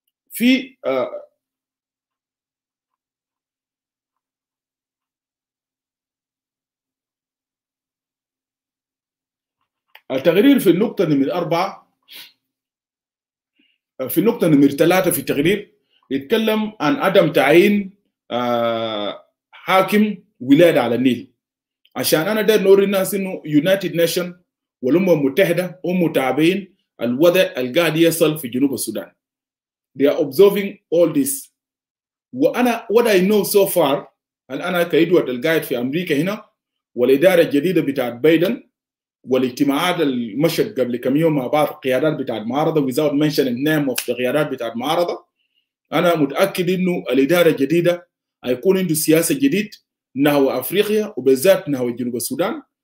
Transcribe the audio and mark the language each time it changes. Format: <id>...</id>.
<ar>في التقرير في النقطة نمر 4 في النقطة نمر 3 في التقرير يتكلم عن عدم تعيين حاكم ولادة على النيل. عشان أنا دار نوري الناس إنه يونايتد نيشن والأمم المتحدة هم متابعين الوضع القاعد يصل في جنوب السودان.</ar> <en>They are observing all this.</en> <ar>وأنا</ar> <en>what I know so far</en> <ar>أنا كإدوارد القاعد في أمريكا هنا والإدارة الجديدة بتاعت بايدن والاجتماعات اللي مشت قبل كم يوم مع بعض القيادات بتاع المعارضه</ar> <en>without mentioning name of</en> <ar>القيادات بتاع المعارضه, انا متاكد انه الاداره الجديده هيكون عنده سياسه جديد نحو افريقيا وبالذات نحو جنوب السودان.</ar>